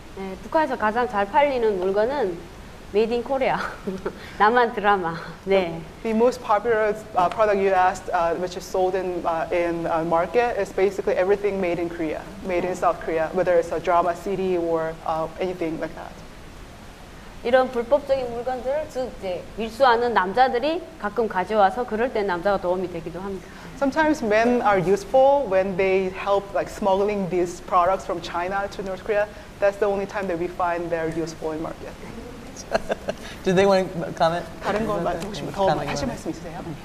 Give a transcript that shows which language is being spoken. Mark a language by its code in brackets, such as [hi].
[ko] 네, 북한에서 가장 잘 팔리는 물건은 [en] Made in Korea, [ko] 남한 드라마. 네. [en] The most popular product you asked, which is sold in market, is basically everything made in Korea, made in South Korea, whether it's a drama, CD, or anything like that. [ko] 이런 불법적인 물건들을 즉 이제 밀수하는 남자들이 가끔 가져와서 그럴 때 남자가 도움이 되기도 합니다. [en] Sometimes men are useful when they help like smuggling these products from China to North Korea. That's the only time that we find they're useful in market. Did they want to comment? [ko] 다른 거 말고 싶으면 더 하실 말씀 있으세요?